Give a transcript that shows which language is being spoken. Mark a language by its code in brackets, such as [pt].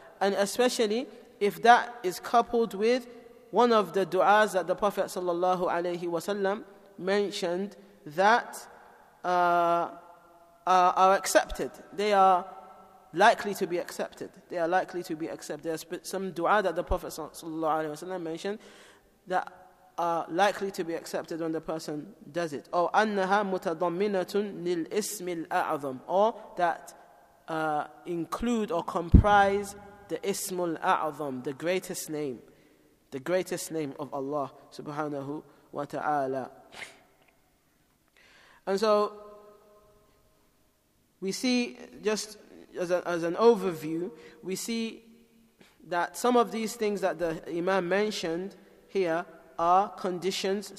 [en] And especially if that is coupled with one of the du'as that the Prophet صَلَّى اللَّهُ عَلَيْهِ وَسَلَّمْ mentioned that are accepted. They are likely to be accepted. They are some du'a that the Prophet صَلَّى اللَّهُ عَلَيْهِ وَسَلَّمْ mentioned that are likely to be accepted when the person does it. [ar] Or أنها متضمنة للإسم الأعظم. [en] Or that include or comprise the إسم الأعظم, the greatest name. The greatest name of Allah subhanahu wa ta'ala. And so, we see, just as an overview, we see that some of these things that the Imam mentioned here are conditions.